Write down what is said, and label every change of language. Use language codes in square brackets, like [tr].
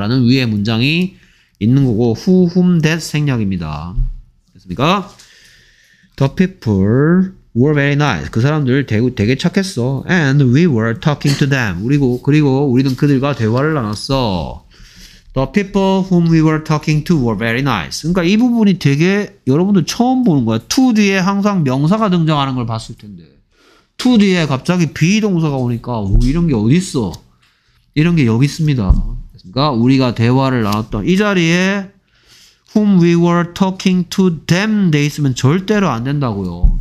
[ko] 라는 위에 문장이 있는 거고 who, whom, that 생략입니다. 됐습니까? [en] The people were very nice. [ko] 그 사람들 되게 착했어. [en] And we were talking to them. [ko] 그리고 우리는 그들과 대화를 나눴어. [en] The people whom we were talking to were very nice. [ko] 그러니까 이 부분이 되게 여러분들 처음 보는 거야. To 뒤에 항상 명사가 등장하는 걸 봤을 텐데. To 뒤에 갑자기 비동사가 오니까 오, 이런 게 어딨어. 이런 게 여기 있습니다. 그러니까 우리가 대화를 나눴던 이 자리에 [en] whom we were talking to them [ko] 돼 있으면 절대로 안 된다고요.